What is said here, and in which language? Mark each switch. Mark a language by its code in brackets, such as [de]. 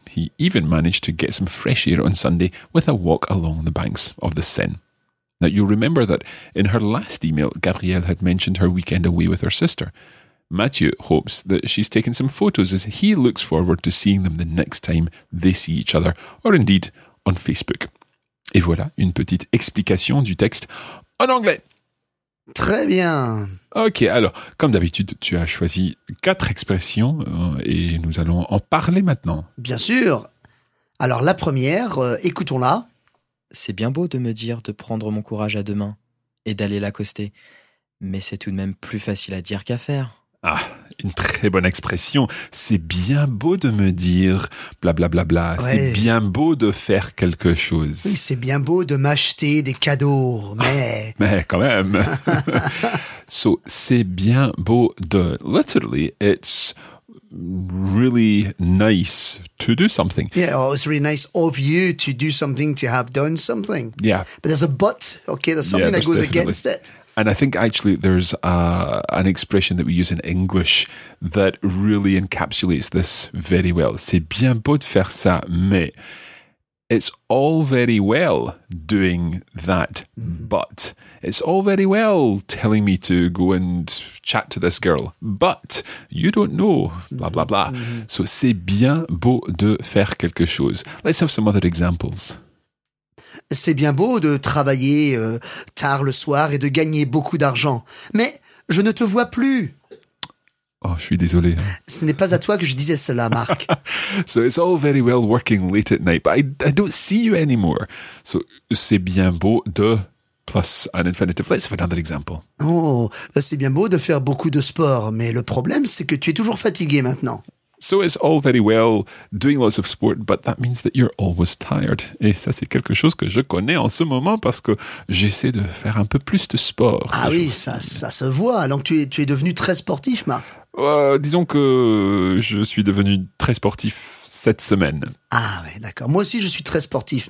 [en] He even managed to get some fresh air on Sunday with a walk along the banks of the Seine. Now, you'll remember that in her last email, Gabrielle had mentioned her weekend away with her sister. Mathieu hopes that she's taken some photos as he looks forward to seeing them the next time they see each other, or indeed on Facebook. [fr] Et voilà une petite explication du texte en anglais. Très bien. Ok, alors, comme d'habitude, tu as choisi 4 expressions et nous allons en parler maintenant. Bien sûr. Alors la première, écoutons-la. C'est bien beau de me dire de prendre mon courage à deux mains et d'aller l'accoster, mais c'est tout de même plus facile à dire qu'à faire. Ah, une très bonne expression. C'est bien beau de me dire blablabla. Ouais. C'est bien beau de faire quelque chose. Oui, c'est bien beau de m'acheter des cadeaux, mais... Ah, mais quand même. So, c'est bien beau de... [en] Literally, it's really nice to do something. Yeah, well, it's really nice of you to do something, to have done something. Yeah. But there's a but, okay? There's something that goes against it. And I think actually there's an expression that we use in English that really encapsulates this very well. [fr] C'est bien beau de faire ça, mais [en] it's all very well doing that, but it's all very well telling me to go and chat to this girl, but you don't know, blah, blah, blah. Mm-hmm. [fr] So c'est bien beau de faire quelque chose. [en] Let's have some other examples. [fr] C'est bien beau de travailler tard le soir et de gagner beaucoup d'argent, mais je ne te vois plus. Oh, je suis désolé. Ce n'est pas à toi que je disais cela, Marc. [en] So it's all very well working late at night, but I don't see you anymore. [fr] So c'est bien beau de plus [en] an infinitive. Let's have another example. [fr] Oh, c'est bien beau de faire beaucoup de sport, mais le problème c'est que tu es toujours fatigué maintenant. [en] So it's all very well doing lots of sport, but that means that you're always tired. [fr] Et ça, c'est quelque chose que je connais en ce moment parce que j'essaie de faire un peu plus de sport. Ah oui, ça se voit. Donc tu es devenu très sportif, Marc. Disons que je suis devenu très sportif cette semaine. Ah oui, d'accord. Moi aussi, je suis très sportif.